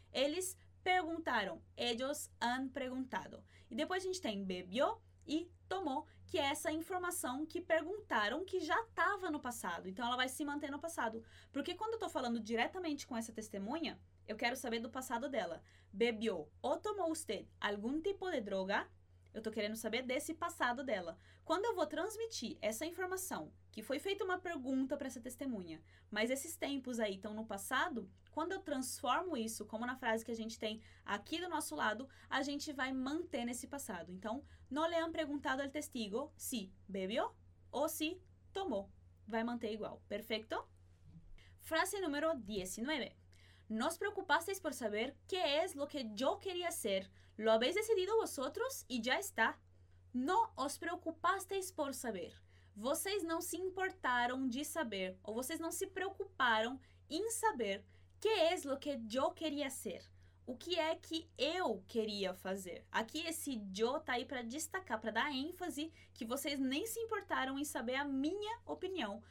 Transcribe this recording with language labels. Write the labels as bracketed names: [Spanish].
[Portuguese] Eles perguntaram, [Spanish] ellos han preguntado. [Portuguese] E depois a gente tem bebió e tomou, que é essa informação que perguntaram que já estava no passado. Então ela vai se manter no passado. Porque quando eu estou falando diretamente com essa testemunha, eu quero saber do passado dela. [Spanish] Bebió o tomó usted algún tipo de droga? [Portuguese] Eu estou querendo saber desse passado dela. Quando eu vou transmitir essa informação, que foi feita uma pergunta para essa testemunha, mas esses tempos aí estão no passado, quando eu transformo isso, como na frase que a gente tem aqui do nosso lado, a gente vai manter nesse passado. [Spanish] Então, no le han preguntado al testigo si bebió o si tomó. [Portuguese] Vai manter igual. [Spanish] Perfecto? Frase número 19. Nos preocupasteis por saber qué es lo que yo quería hacer. Lo habéis decidido vosotros y ya está. No os preocupasteis por saber. [Portuguese] Vocês não se importaram de saber, ou vocês não se preocuparam em saber [Spanish] qué es lo que yo quería hacer. [Portuguese] O que é que eu queria fazer? Aqui esse yo tá aí para destacar, para dar ênfase que vocês nem se importaram em saber a minha opinião.